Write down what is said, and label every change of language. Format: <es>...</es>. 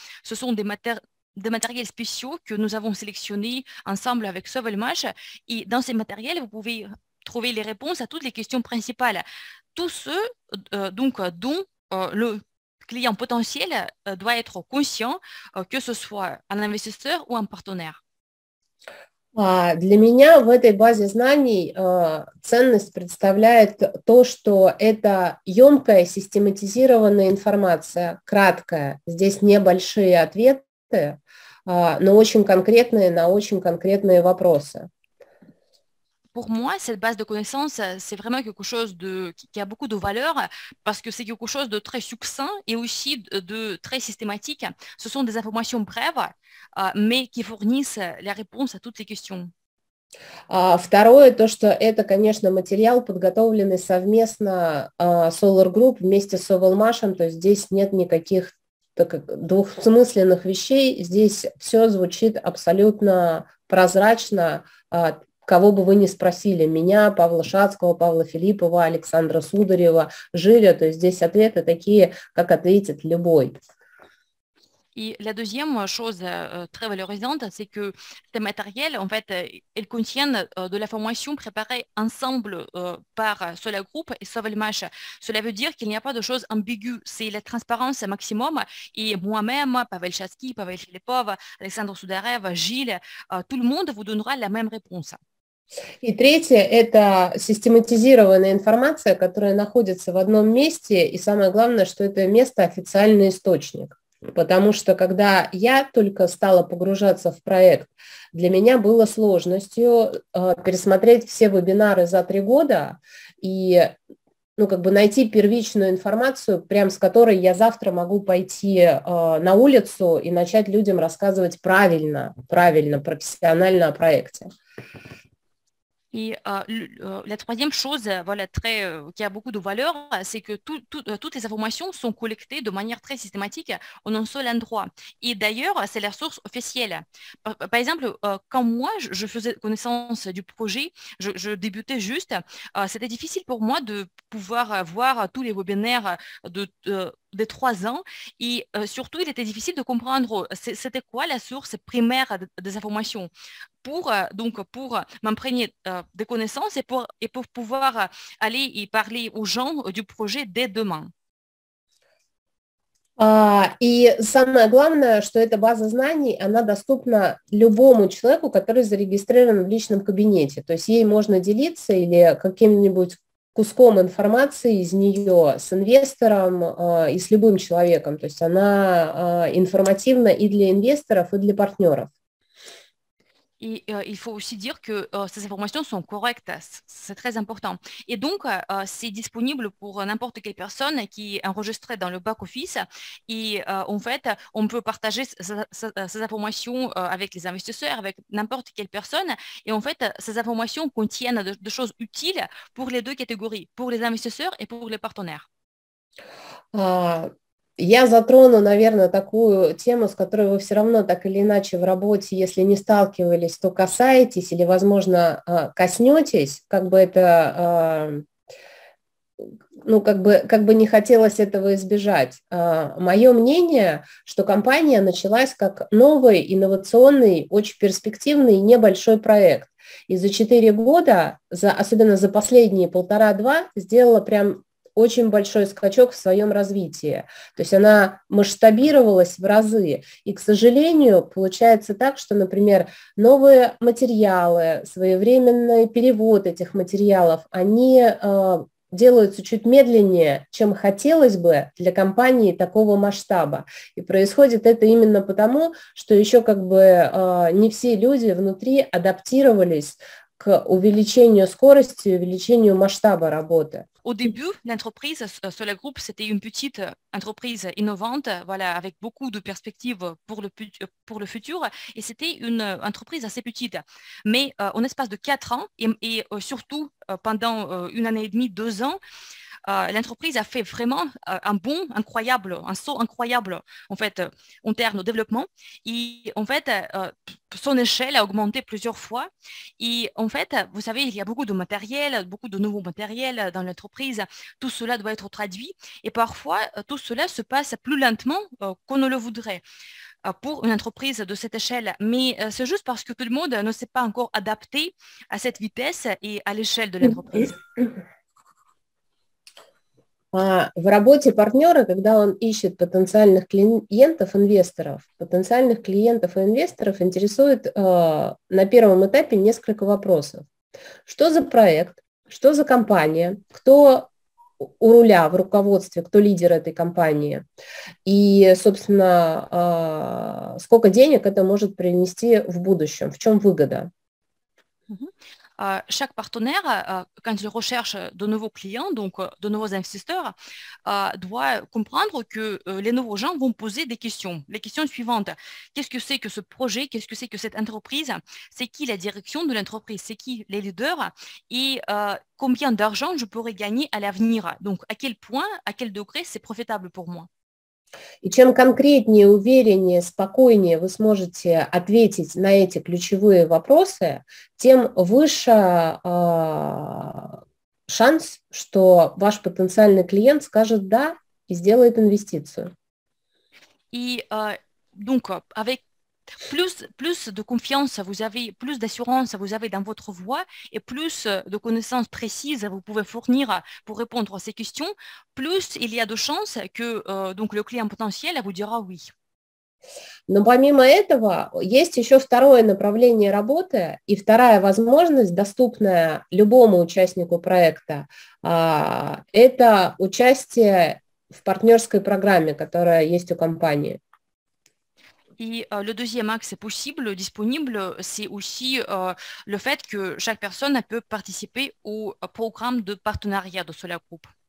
<fr>Ce sont des matériels spéciaux que nous avons sélectionnés ensemble avec Sovelmash. Et dans ces matériels, vous pouvez trouver les réponses à toutes les questions principales. Tous ceux dont le client potentiel doit être conscient, que ce soit un investisseur ou un partenaire.</fr> <ru>Для меня в этой базе знаний ценность представляет то, что это емкая систематизированная информация, краткая. Здесь небольшие ответы, но очень конкретные на очень конкретные вопросы.</ru> <fr>Pour moi, cette base de connaissances, c'est vraiment quelque chose qui a beaucoup de valeur parce que c'est quelque chose de très succinct et aussi de très systématique. Ce sont des informations brèves, mais qui fournissent les réponses à toutes les questions.</fr> <ru>Второе, то, что это, конечно, материал, подготовленный совместно Solar Group вместе с Sovelmash, то есть здесь нет никаких двусмысленных вещей, здесь все звучит абсолютно прозрачно, кого бы вы ни спросили, меня, Павла Шацкого, Павла Филиппова, Александра Сударева, Жиля, то есть здесь ответы такие, как ответит любой. И</ru> <fr>la deuxième chose très valorisante, c'est que ces matériels, en fait, ils contiennent de la formation préparée ensemble par Solar Group et Sovelmash. Cela veut dire qu'il n'y a pas de chose ambiguë, c'est la transparence maximum. Et moi-même, Pavel Chatsky, Pavel Filipov, Alexandre Sudarev, Gilles, tout le monde vous donnera la même réponse.</fr> <ru>И третье – это систематизированная информация, которая находится в одном месте, и самое главное, что это место – официальный источник. Потому что когда я только стала погружаться в проект, для меня было сложностью пересмотреть все вебинары за 3 года и найти первичную информацию, прям с которой я завтра могу пойти на улицу и начать людям рассказывать правильно, профессионально о проекте.</ru> <fr>Et la troisième chose, voilà, qui a beaucoup de valeur, c'est que toutes les informations sont collectées de manière très systématique en un seul endroit. Et d'ailleurs, c'est la source officielle. Par exemple, quand moi, je faisais connaissance du projet, je débutais juste, c'était difficile pour moi de pouvoir voir tous les webinaires de 3 ans. Et surtout, il était difficile de comprendre c'était quoi la source primaire des informations. Pour m'imprégner des connaissances et pour pouvoir aller y parler aux gens du projet dès demain.</fr> <ru>И самое главное, что эта база знаний, она доступна любому человеку, который зарегистрирован в личном кабинете. То есть ей можно делиться или каким-нибудь куском информации из нее с инвестором, и с любым человеком. То есть она, информативна и для инвесторов, и для партнеров.</ru> <fr>Et il faut aussi dire que ces informations sont correctes, c'est très important. Et donc, c'est disponible pour n'importe quelle personne qui est enregistrée dans le back-office. Et en fait, on peut partager ces informations avec les investisseurs, avec n'importe quelle personne. Et en fait, ces informations contiennent de choses utiles pour les deux catégories, pour les investisseurs et pour les partenaires.</fr> <ru>Я затрону, наверное, такую тему, с которой вы все равно так или иначе в работе, если не сталкивались, то касаетесь или, возможно, коснетесь, как бы не хотелось этого избежать. Мое мнение, что компания началась как новый, инновационный, очень перспективный, небольшой проект. И за 4 года, особенно за последние 1,5-2, сделала прям очень большой скачок в своем развитии. То есть она масштабировалась в разы. И, к сожалению, получается так, что, например, новые материалы, своевременный перевод этих материалов, они делаются чуть медленнее, чем хотелось бы для компании такого масштаба. И происходит это именно потому, что еще как бы не все люди внутри адаптировались к увеличению скорости, увеличению масштаба работы.</ru> <fr>Au début, l'entreprise Solar Group, c'était une petite entreprise innovante, voilà, avec beaucoup de perspectives pour le futur, et c'était une entreprise assez petite. Mais en l'espace de 4 ans, et surtout pendant une année et demie, 2 ans, l'entreprise a fait vraiment un bond incroyable, un saut incroyable, en fait, en termes de développement. Et en fait, son échelle a augmenté plusieurs fois. Et en fait, vous savez, il y a beaucoup de matériel, beaucoup de nouveaux matériels dans l'entreprise. Tout cela doit être traduit. Et parfois, tout cela se passe plus lentement qu'on ne le voudrait pour une entreprise de cette échelle. Mais c'est juste parce que tout le monde ne s'est pas encore adapté à cette vitesse et à l'échelle de l'entreprise.</fr> <ru>А в работе партнера, когда он ищет потенциальных клиентов, инвесторов, потенциальных клиентов и инвесторов интересует на первом этапе несколько вопросов. Что за проект? Что за компания? Кто у руля в руководстве, кто лидер этой компании? И, собственно, сколько денег это может принести в будущем? В чем выгода?</ru> <fr>Chaque partenaire, quand il recherche de nouveaux clients, donc de nouveaux investisseurs, doit comprendre que les nouveaux gens vont poser des questions. Les questions suivantes. Qu'est-ce que c'est que ce projet? Qu'est-ce que c'est que cette entreprise? C'est qui la direction de l'entreprise? C'est qui les leaders? Et combien d'argent je pourrais gagner à l'avenir? Donc, à quel point, à quel degré c'est profitable pour moi?</fr> <ru>И чем конкретнее, увереннее, спокойнее вы сможете ответить на эти ключевые вопросы, тем выше шанс, что ваш потенциальный клиент скажет «да» и сделает инвестицию.</ru> <fr>Et donc, avec plus de confiance vous avez, plus d'assurance vous avez dans votre voix et plus de connaissances précises vous pouvez fournir pour répondre à ces questions, plus il y a de chances que donc le client potentiel vous dira oui.</fr> <ru>Но помимо этого, есть еще второе направление работы и вторая возможность, доступная любому участнику проекта, это участие в партнерской программе, которая есть у компании.</ru> <fr>Et le deuxième axe possible, disponible, c'est aussi le fait que chaque personne peut participer au programme de partenariat de Solar Group.</fr>